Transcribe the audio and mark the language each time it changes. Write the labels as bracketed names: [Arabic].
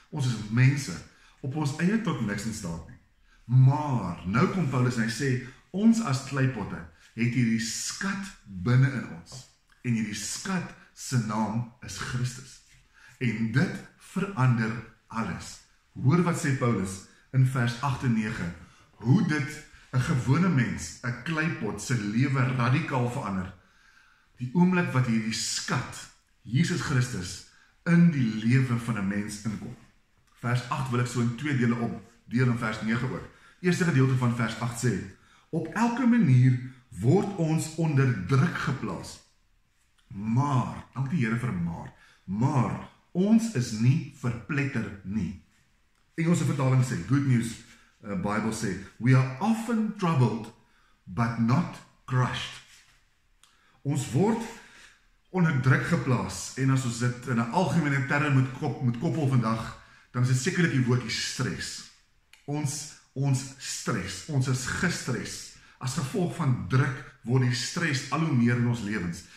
[Afrikaans] Ons is mense, op ons eie tot niks in staat nie. Maar, nou kom Paulus en hy sê, ons as kleipotte het hierdie skat binnen in ons. En hierdie skat sy naam is Christus. En dit verander alles. Hoor wat sê Paulus in vers 8 en 9, hoe dit een gewone mens, een kleipot, sy leven radikaal verander. Die oomblik wat hierdie skat, Jesus Christus, in die leven van een mens inkom. Vers 8 wil ek so in twee dele om, deel in vers 9 ook. Eerste gedeelte van vers 8 sê, op elke manier word ons onder druk geplaas. Maar, dank die Heere vir maar, ons is nie verpletter nie. Engelse vertaling sê, [English] Good News Bible sê, we are often troubled, but not crushed. [Afrikaans] Ons word onder druk geplaas, en as ons dit in 'n algemene term moet koppel vandag, dan is dit sekerlik die woordie stres. Ons stres, ons is gestres. As gevolg van druk, word die stres al hoe meer in ons lewens.